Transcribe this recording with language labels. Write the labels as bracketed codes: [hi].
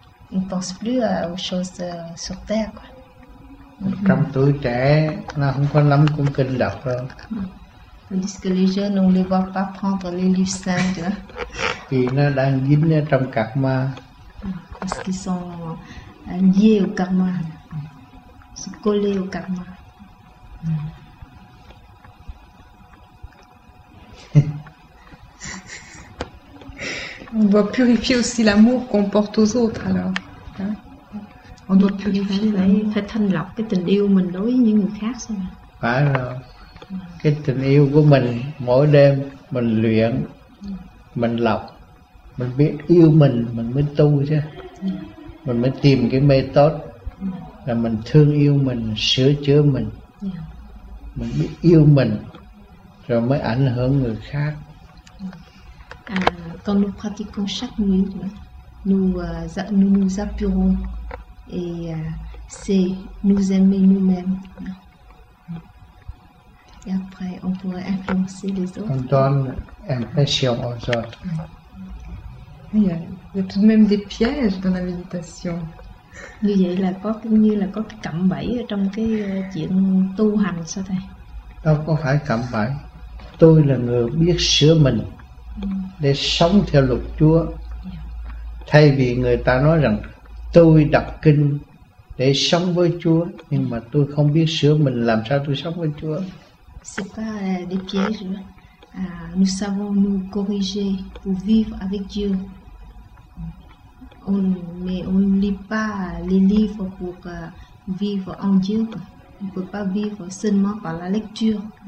[fr] Il pense plus aux choses sur terre quoi. [vi] Trong tuổi trẻ nó không có lắm cuốn kinh đọc đâu. [fr] Tandis que les jeunes, on ne les voit pas prendre les livres saints. [vi] Thì nó đang dính ở trong karma. [fr] Parce qu'ils sont liés au karma. Se coller au karma. On doit purifier aussi l'amour qu'on porte aux autres alors. On doit purifier. [vi] Phải thanh lọc cái tình yêu mình đối với những người khác xem. Phải rồi. Cái tình yêu của mình mỗi đêm mình luyện, mình lọc, mình biết yêu mình mới tu chứ. Mình mới tìm cái mê tốt. Là mình thương yêu mình, sửa chữa mình. Mình biết yêu mình rồi mới ảnh hưởng người khác. [fr] Quand nous pratiquons chaque nuit, nous nous apurons et c'est nous aimer nous-mêmes. Et après on pourrait influencer les autres. On donne impression aux autres. Il y a tout de même des pièges dans la méditation. [vi] Như vậy là có như là có cái cạm bẫy ở trong cái chuyện tu hành sao thầy? Đâu có phải cạm bẫy. Tôi là người biết sửa mình để sống theo luật Chúa. Thay vì người ta nói rằng tôi đọc kinh để sống với Chúa, nhưng mà tôi không biết sửa mình làm sao tôi sống với Chúa. [fr] C'est pas des pièges. Nous savons nous corriger pour vivre avec Dieu. Mais on ne lit pas les livres pour vivre en Dieu. On ne peut pas vivre seulement par la lecture.